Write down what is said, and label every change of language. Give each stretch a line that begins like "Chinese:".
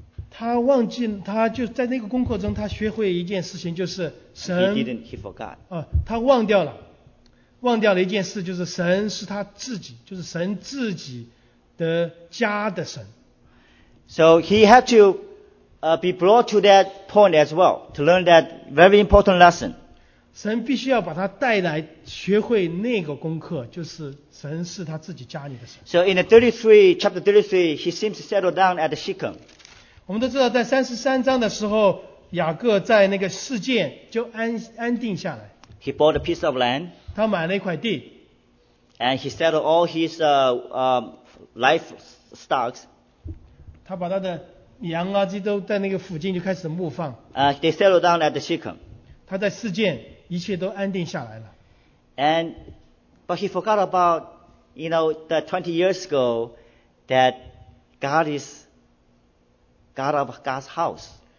Chinese: 他忘记他就在那个功课中他学会一件事情就是神。
English: He forgot.、
Chinese: 他忘掉了。忘掉了一件事就是神是他自己就是神自己的家的神。
English: So he had to,be brought to that point as well to learn that very important lesson.
Chinese: 神必须要把他带来学会那个功课就是神是他自己家里的神。
English: So in the 33, chapter 33, he seems to settle down at Shechem.
Chinese: 我们都知道在33章的时候雅各在那个事件就 安定下来。
English: He bought a piece of land.
Chinese: 他买了一块地。
English: And he settled all his livestock.
Chinese: 他把他的羊啊，这都在那个附近就开始牧放。
English: They settled down at the Shechem.
Chinese: 他在事件，一切都安定下来了。
English: But he forgot about, you know, the 20 years ago that God is God of God's house.